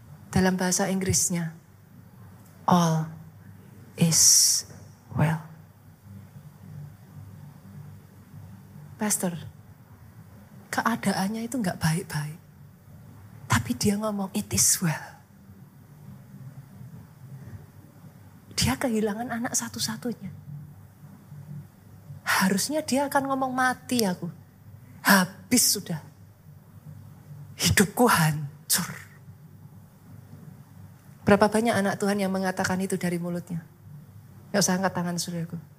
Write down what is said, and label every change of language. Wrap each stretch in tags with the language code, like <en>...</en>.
<id>Dalam bahasa Inggrisnya,</id> <en>all is well.</en> <id>Pastor, keadaannya itu gak baik-baik. Tapi dia ngomong,</id> <en>it is well.</en> <id>Dia kehilangan anak satu-satunya. Harusnya dia akan ngomong, mati aku. Habis sudah. Hidupku hancur. Berapa banyak anak Tuhan yang mengatakan itu dari mulutnya? Gak usah angkat tangan, saudaraku.</id>